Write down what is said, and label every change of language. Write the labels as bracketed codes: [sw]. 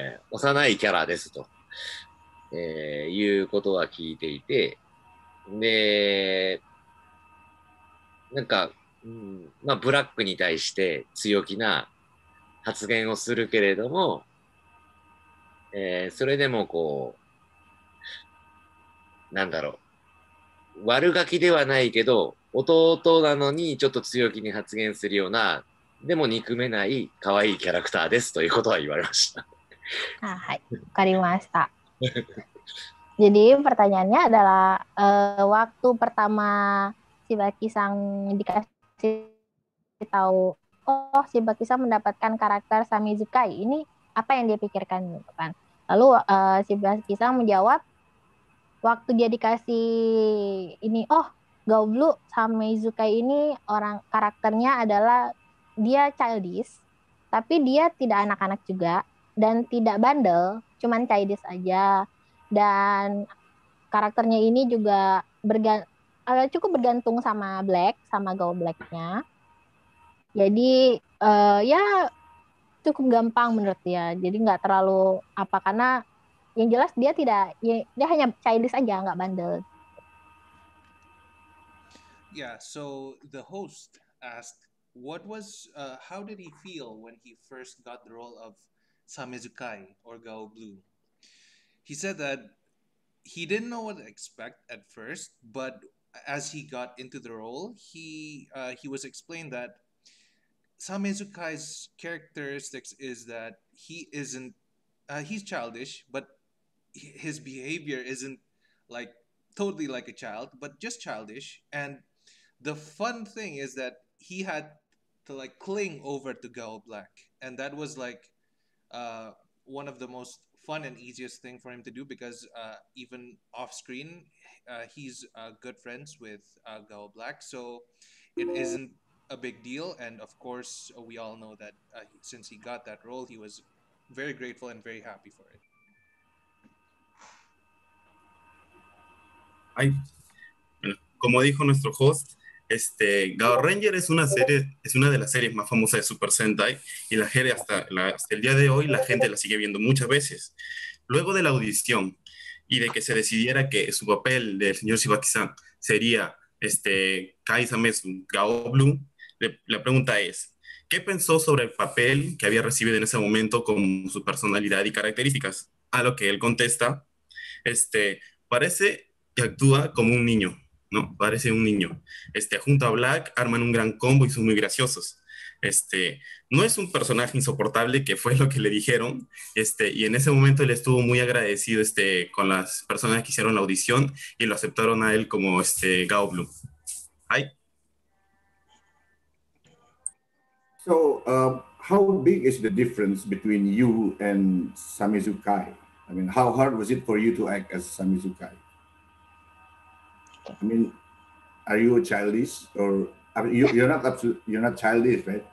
[ja] 幼いキャラですと。いうことは聞いていて、で、なんか、まあ、ブラックに対して強気な発言をするけれども、それでもこう、なんだろう、悪ガキではないけど、弟なのにちょっと強気に発言するような、でも憎めない可愛いキャラクターですということは言われました。あ、はい、わかりました。 [id] Jadi pertanyaannya adalah waktu pertama Shibaki-san dikasih tahu, oh Shibaki-san mendapatkan karakter Samezu Kai ini apa yang dia pikirkan, kan? Lalu Shibaki menjawab, waktu dia dikasih ini, oh, Gao Blue sama Izuka ini orang karakternya adalah dia childish, tapi dia tidak anak-anak juga dan tidak bandel, cuman childish aja. Dan karakternya ini juga cukup bergantung sama Black, sama Gao Black-nya. Jadi ya cukup gampang menurut dia. Jadi nggak terlalu apa, karena yang jelas dia tidak, dia hanya childish aja, nggak bandel. [en] Yeah, so the host asked, what was, how did he feel when he first got the role of Samezukai or Gao Blue? He said that he didn't know what to expect at first, but as he got into the role, he was explained that Samezukai's characteristics is that he isn't, he's childish, but his behavior isn't like totally like a child, but just childish. And the fun thing is that he had to like cling over to Gao Black. And that was like one of the most fun and easiest thing for him to do, because even off screen, he's good friends with Gao Black. So it isn't a big deal. And of course, we all know that since he got that role, he was very grateful and very happy for it. [es] Como dijo nuestro host, GAORANGER es una serie, es una de las series más famosas de Super Sentai, y la serie hasta el día de hoy la gente la sigue viendo muchas veces. Luego de la audición y de que se decidiera que su papel del señor Shibaki-san sería Kai Samezu, Gao Blue, la pregunta es, ¿qué pensó sobre el papel que había recibido en ese momento con su personalidad y características? A lo que él contesta, parece que actúa como un niño. No, parece un niño. Junto a Black arman un gran combo y son muy graciosos. No es un personaje insoportable, que fue lo que le dijeron. Y en ese momento él estuvo muy agradecido con las personas que hicieron la audición y lo aceptaron a él como Gao Blue. Ay. [en] So, how big is the difference between you and Samezukai? I mean, how hard was it for you to act as Samezukai? I mean, are you childish, or I mean, you're not childish, right?